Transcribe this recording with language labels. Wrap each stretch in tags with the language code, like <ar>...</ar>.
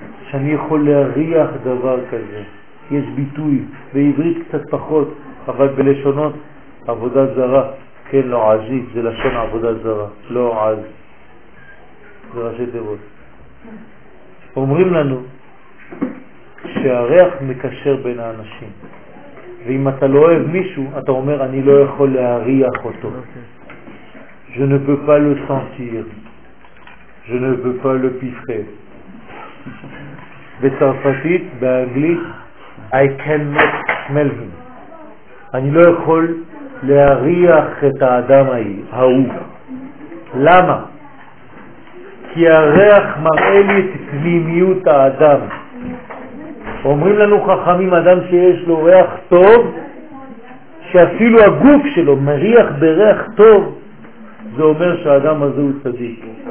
<he>שאני יכול להריח דבר כזה. יש ביטוי, בעברית קצת פחות, אבל בלשונות עבודה זרה, כן, לא עזית, זה לשון עבודה זרה, לא עז, זה ראשי דבות. אומרים לנו שהריח מקשר בין האנשים, ואם אתה לא אוהב מישהו, אתה אומר, אני לא יכול להריח אותו.</he> <fr>Je ne peux pas le sentir, je ne peux pas le piffrer.</fr> <he>בצרפתית, באנגלית,</he> <en>I cannot smell him.</en> <he>אני לא יכול להריח את האדם ההוא. למה? כי הריח מראה לי את פנימיות האדם. אומרים לנו חכמים, אדם שיש לו ריח טוב, שאפילו הגוף שלו מריח בריח טוב, זה אומר שהאדם הזה הוא צדיק.</he>